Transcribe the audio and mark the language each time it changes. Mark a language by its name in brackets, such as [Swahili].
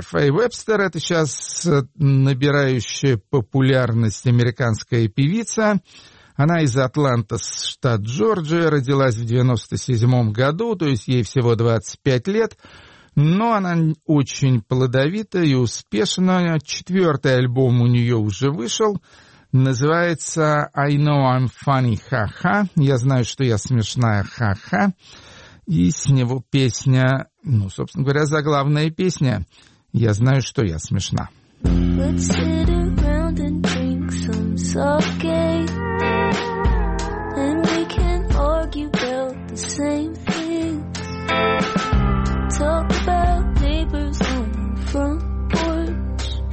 [Russian] Фэй Вебстер — это сейчас набирающая популярность американская певица. Она из Атланты, штат Джорджия, родилась в 97-м году, то есть ей всего 25 лет. Но она очень плодовита и успешна. Четвертый альбом у нее уже вышел. Называется [English] «I know I'm funny, [Russian] ха-ха». «Я знаю, что я смешная, ха-ха». И с него песня, ну, собственно говоря, заглавная песня «Я знаю, что я смешна». [English] Let's sit around and drink some sake. And we can argue about the same thing. Talk about neighbors on the front porch.